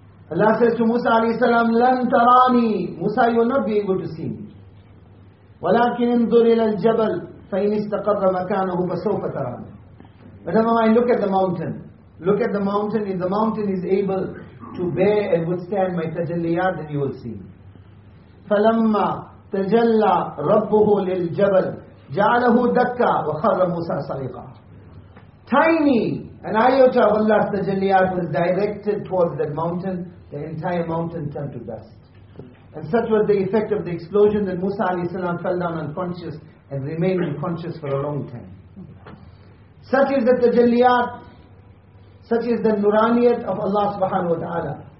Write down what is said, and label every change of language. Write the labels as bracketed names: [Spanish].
[English] Allah says to Musa alayhi salam, [Arabic] لَنْ تَرَانِي. [English] Musa, you will not be able to see me. [Arabic] وَلَكِنْ انظُرْ إِلَى الْجَبَلْ فَإِنِ اسْتَقَرَّ مَكَانَهُ فَسَوْفَ تَرَانِ. [English] But never mind, look at the mountain. Look at the mountain. If the mountain is able to bear and withstand my tajalliyat, then you will see. [Arabic] فَلَمَّا تَجَلَّى رَبُّهُ لِلْجَبَلْ جَعَلَهُ دَكَّى وَخَرَّ مُوسَى صَرِيقًا. [English] Tiny, An iota of Allah's tajalliyat was directed towards that mountain, the entire mountain turned to dust. And such was the effect of the explosion that Musa a.s. fell down unconscious and remained unconscious for a long time. Such is the tajalliyat, such is the nuraniyat of Allah subhanahu wa ta'ala.